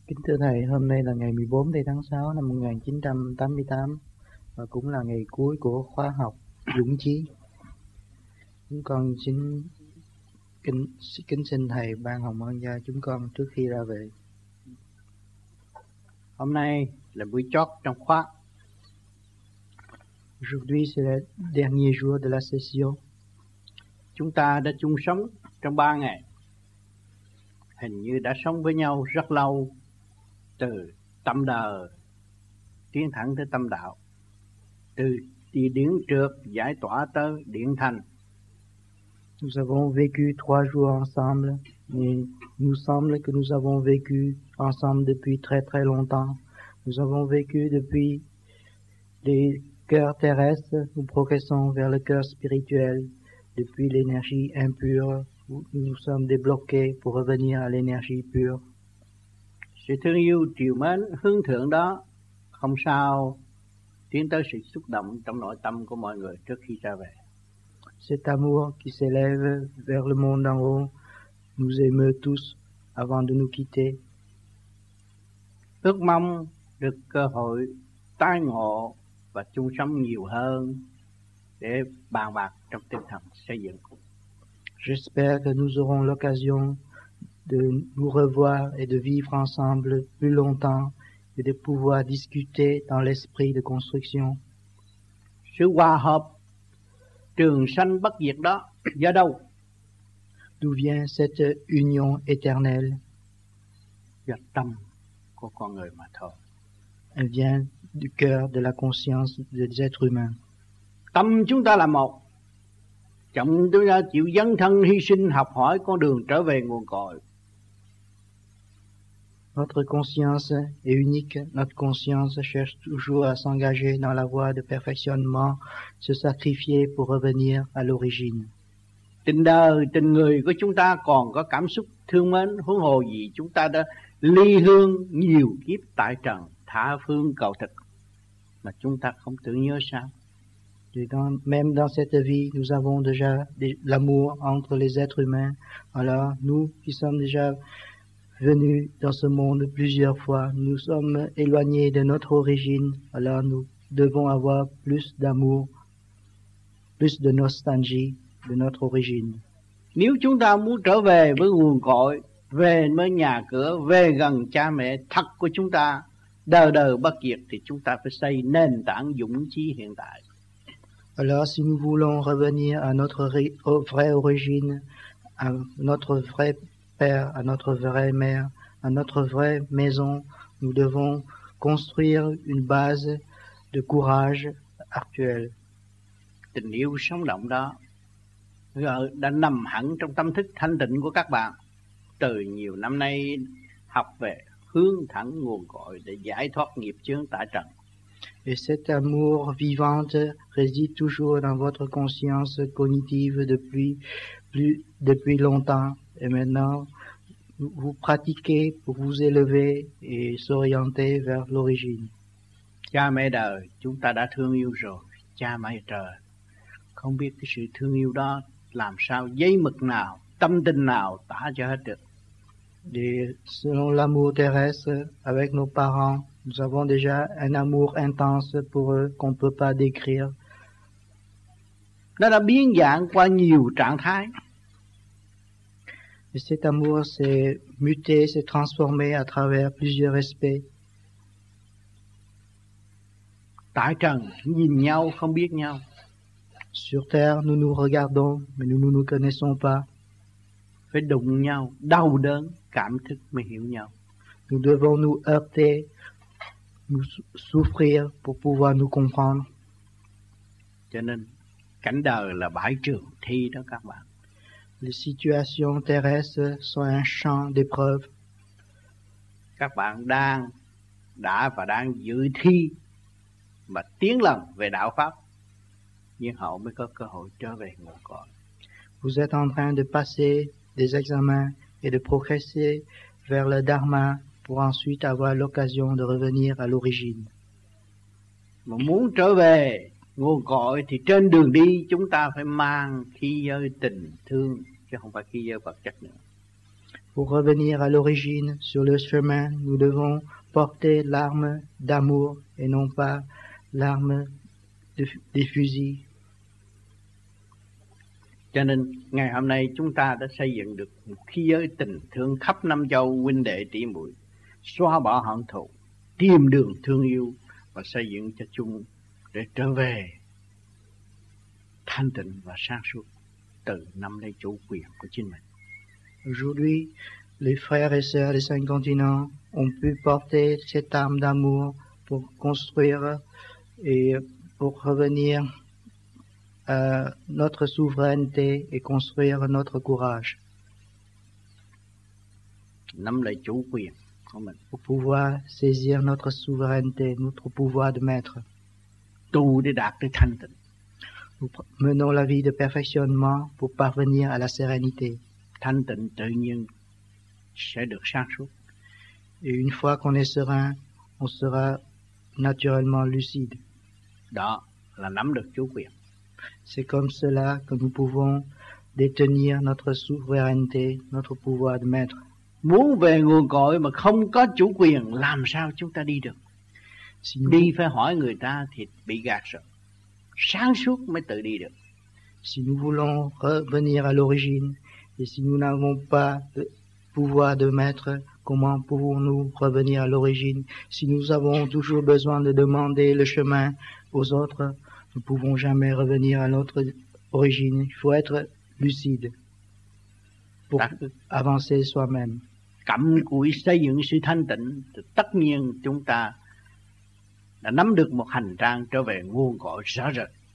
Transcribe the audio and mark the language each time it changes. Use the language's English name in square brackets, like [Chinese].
[Vietnamese] Kính thưa Thầy, hôm nay là ngày 14 tháng 6 năm 1988 và cũng là ngày cuối của khóa học Dũng Chí. Chúng con xin kính xin Thầy ban hồng ân cho chúng con trước khi ra về. Hôm nay là buổi chót trong khóa. [French] Aujourd'hui, c'est le dernier jour de la session. [Vietnamese] Chúng ta đã chung sống trong 3 ngày. Hình như đã sống với nhau rất lâu, từ tâm đời tiến thẳng tới tâm đạo, từ địa điển trượt giải tỏa tới điển thành. [French] Nous avons vécu 3 jours ensemble, mais nous semble que nous avons vécu ensemble depuis très très longtemps. Nous avons vécu depuis les cœurs terrestres, nous progressons vers le cœur spirituel, depuis l'énergie impure, où nous sommes débloqués pour revenir à l'énergie pure. [Vietnamese] Sự thương yêu, triều mến, hướng thượng đó không sao tiến tới sự xúc động trong nội tâm của mọi người trước khi ra về. [French] Cet amour qui s'élève vers le monde en haut nous émeut tous avant de nous quitter. [Vietnamese] Ước mong được cơ hội tái ngộ và chung sống nhiều hơn để bàn bạc trong tinh thần xây dựng. [French] J'espère que nous aurons l'occasion de nous revoir et de vivre ensemble plus longtemps et de pouvoir discuter dans l'esprit de construction. [Vietnamese] Sự hòa hợp trường sanh bất diệt đó do đâu? [French] D'où vient cette union éternelle? [Vietnamese] Do tâm của con người mà thôi. [French] Elle vient du cœur de la conscience des êtres humains. [Vietnamese] Tâm chúng ta là một. Chúng ta chịu dấn thân hy sinh học hỏi con đường trở về nguồn cội. [French] Notre conscience est unique. Notre conscience cherche toujours à s'engager dans la voie de perfectionnement, se sacrifier pour revenir à l'origine. [Vietnamese] Tình đời, tình người của chúng ta còn có cảm xúc thương mến, huống hồ gì chúng ta đã ly hương nhiều kiếp tại trần, tha phương cầu thực, mà chúng ta không tưởng nhớ sao? [French] Même dans cette vie, nous avons déjà l'amour entre les êtres humains. Alors, nous qui sommes déjà venus dans ce monde plusieurs fois, nous sommes éloignés de notre origine. Alors, nous devons avoir plus d'amour, plus de nostalgie de notre origine. [Vietnamese] Nếu chúng ta muốn trở về với nguồn cội, về với nhà cửa, về gần cha mẹ thật của chúng ta, đời đời bất diệt, thì chúng ta phải xây nền tảng dũng chí hiện tại. [French] Alors, si nous voulons revenir à notre vraie origine, à notre vrai père, à notre vraie mère, à notre vraie maison, nous devons construire une base de courage actuelle. [Vietnamese] Tình yêu sống động đó đã nằm hẳn trong tâm thức thanh tịnh của các bạn từ nhiều năm nay, học về hướng thẳng nguồn cội để giải thoát nghiệp chướng tại trần. [French] Et cet amour vivant réside toujours dans votre conscience cognitive depuis longtemps. Et maintenant, vous pratiquez pour vous élever et s'orienter vers l'origine. [Vietnamese] Cha mẹ đời, chúng ta đã thương yêu rồi. Cha mẹ trời, không biết cái sự thương yêu đó làm sao, giấy mực nào, tâm tình nào tả cho hết được. [French] Et selon l'amour terrestre avec nos parents, nous avons déjà un amour intense pour eux qu'on ne peut pas décrire. [Vietnamese] Nó đã biến dạng qua nhiều trạng thái. [French] Et cet amour s'est muté, s'est transformé à travers plusieurs aspects. [Vietnamese] Tại trần, nhìn nhau, không biết nhau. [French] Sur terre, nous nous regardons, mais nous ne nous connaissons pas. [Vietnamese] Phải đụng nhau, đau đớn, cảm thức mới hiểu nhau. [French] Nous devons nous heurter, nous souffrir pour pouvoir nous comprendre. [Vietnamese] Cho nên cảnh đời là bãi trường thi đó các bạn. [French] Les situations terrestres sont un champ d'épreuves. [Vietnamese] Các bạn đang đã và đang dự thi mà tiến lần về đạo pháp, nhưng họ mới có cơ hội trở về nguồn cội. [French] Vous êtes en train de passer des examens et de progresser vers le dharma pour ensuite avoir l'occasion de revenir à l'origine. [Vietnamese] Mà muốn trở về nguồn cội thì trên đường đi chúng ta phải mang khí giới tình thương chứ không phải khí giới vật chất nữa. [French] Pour revenir à l'origine, sur le chemin, nous devons porter l'arme d'amour et non pas l'arme des fusils. [Vietnamese] Cho nên ngày hôm nay chúng ta đã xây dựng được một khí giới tình thương khắp năm châu, huynh đệ tỷ muội, xóa bỏ hận thù, tìm đường thương yêu và xây dựng cho chung để trở về thanh tịnh và sáng suốt, từ nắm lấy chủ quyền của chính mình. [French] Aujourd'hui, les frères et sœurs des cinq continents ont pu porter cette arme d'amour pour construire et pour revenir à notre souveraineté et construire notre courage. [Vietnamese] Nắm lấy chủ quyền của mình. [French] Pour pouvoir saisir notre souveraineté, notre pouvoir de maître. Tout de [Vietnamese] đạt cái thanh tịnh. [French] Nous menons la vie de perfectionnement pour parvenir à la sérénité. [Vietnamese] Thanh tịnh tự nhiên sẽ được sáng suốt. [French] Et une fois qu'on est serein, on sera naturellement lucide. [Vietnamese] Đó là nắm được chủ quyền. [French] C'est comme cela que nous pouvons détenir notre souveraineté, notre pouvoir de maître. [Vietnamese] Muốn về nguồn cội mà không có chủ quyền, làm sao chúng ta đi được? [French] Si nous... [Vietnamese] Đi phải hỏi người ta thì bị gạt rồi. Sáng suốt mới tự đi được. [French] Si nous voulons revenir à l'origine, et si nous n'avons pas le pouvoir de maître, comment pouvons-nous revenir à l'origine? Si nous avons toujours besoin de demander le chemin aux autres, nous ne pouvons jamais revenir à notre origine. Il faut être lucide pour avancer soi-même. [Vietnamese] Cắm cụi xây dựng sự thanh tịnh, tất nhiên chúng ta đã nắm được một hành trang trở về nguồn cội rõ rệt.